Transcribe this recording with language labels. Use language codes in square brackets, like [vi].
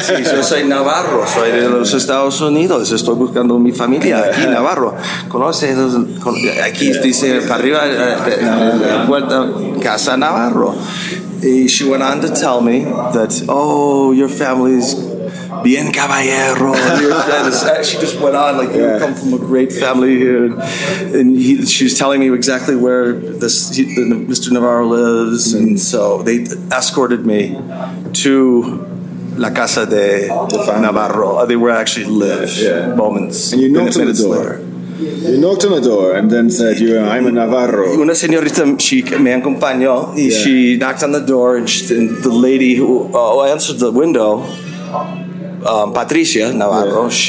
[es] Sí, yo soy Navarro, soy de los Estados Unidos, estoy buscando mi familia aquí, Navarro. ¿Conoces? Aquí dice para arriba, vuelta, Casa Navarro. [en] And she went on to tell me that, your family's [es] bien caballero. [en] She just went on like, you come from a great family here. And she was telling me exactly where Mr. Navarro lives. Mm-hmm. And so they escorted me to La Casa de Navarro. They were actually live moments. And you knocked on the door. Later. You knocked on the door and then said, I'm a Navarro. [es] Una señorita, [en] she [es] me acompañó. [en] She knocked on the door and the lady who answered the window, Patricia Navarro,